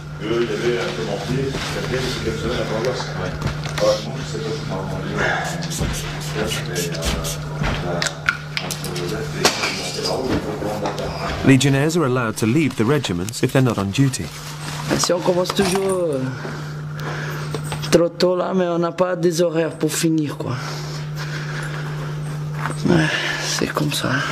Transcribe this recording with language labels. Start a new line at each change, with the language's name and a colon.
French: Ouais, je pense que c'est pas vraiment bien. Là, c'était un peu...
English: Legionnaires are allowed to leave the regiments if they're not on duty.
French: Si on commence toujours trop tôt là, mais on n'a pas des horaires pour finir quoi. Ouais, c'est comme ça.